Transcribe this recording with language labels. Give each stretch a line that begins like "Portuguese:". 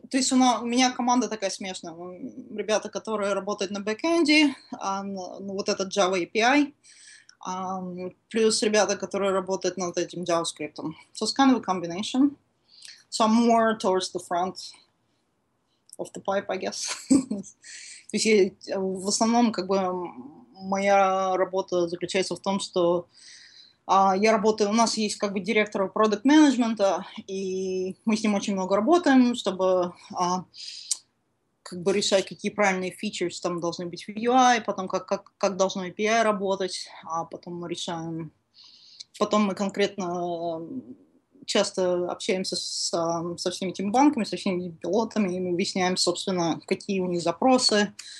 Russian: То есть у меня команда такая смешная. Ребята, которые работают на бэк-энде, вот этот Java API, плюс ребята, которые работают над этим JavaScript.
English: So it's kind of a combination. Some more towards the front of the pipe, I guess.
Russian: То есть в основном как бы моя работа заключается в том, что я работаю, у нас есть как бы директор product management, и мы с ним очень много работаем, чтобы как бы решать, какие правильные features там должны быть в UI, потом как должно API работать, а потом мы решаем, потом мы конкретно часто общаемся со всеми этими банками, со всеми пилотами, и мы объясняем, собственно, какие у них запросы,